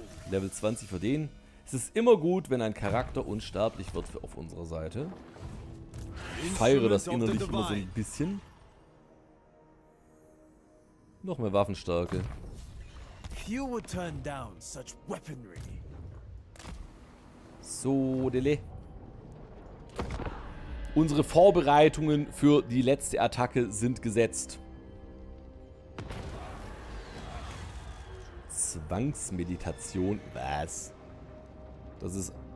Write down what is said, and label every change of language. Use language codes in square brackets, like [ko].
[de] Level 20 für den. Es ist immer gut, wenn ein Charakter unsterblich wird auf unserer Seite. Ich feiere das innerlich immer so ein bisschen. Noch mehr Waffenstärke. [en] You would turn down such weaponry. [de] So, Dele. Unsere Vorbereitungen für die letzte Attacke sind gesetzt. Zwangsmeditation. Was? Das ist...